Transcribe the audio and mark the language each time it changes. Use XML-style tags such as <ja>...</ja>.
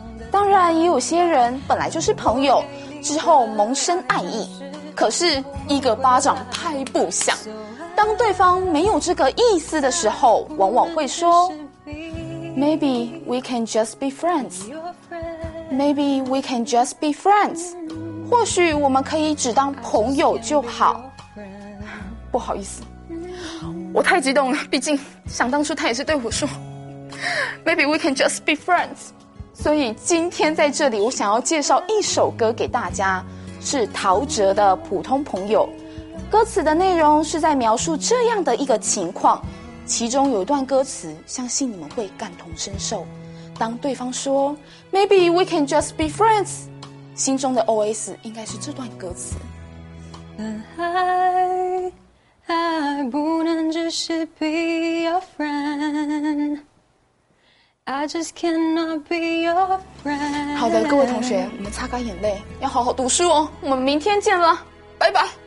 <zh>当然，也有些人本来就是朋友，之后萌生爱意，可是一个巴掌拍不响。当对方没有这个意思的时候，往往会说 ：</zh> <en>“Maybe we can just be friends.” Maybe we can just be friends.</en> <zh>或许我们可以只当朋友就好。不好意思，我太激动了。毕竟想当初他也是对我说 ，</zh> <en>Maybe we can just be friends.</en> <zh>所以今天在这里，我想要介绍一首歌给大家，是陶喆的《普通朋友》。歌词的内容是在描述这样的一个情况，其中有一段歌词，相信你们会感同身受。当对方说</zh> <en>Maybe we can just be friends</en> <zh>心中的 OS 应该是这段歌词本来还不能只是</zh> <en>be your friend I just cannot be your friend</en> <zh>好的各位同学我们擦干眼泪要好好读书哦我们明天见了拜拜</zh>